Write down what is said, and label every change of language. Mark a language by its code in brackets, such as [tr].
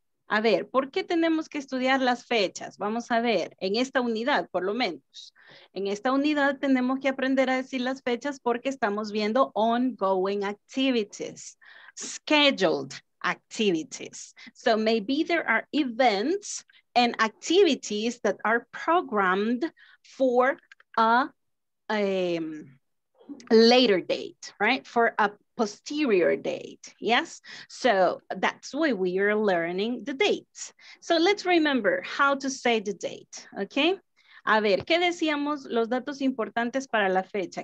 [es] A ver, ¿por qué tenemos que estudiar las fechas? Vamos a ver, en esta unidad, por lo menos. En esta unidad tenemos que aprender a decir las fechas porque estamos viendo [en] ongoing activities, scheduled activities. So maybe there are events and activities that are programmed for a later date, right? For a posterior date, yes? So that's why we are learning the dates. So let's remember how to say the date, okay? [es] A ver, ¿qué decíamos los datos importantes para la fecha?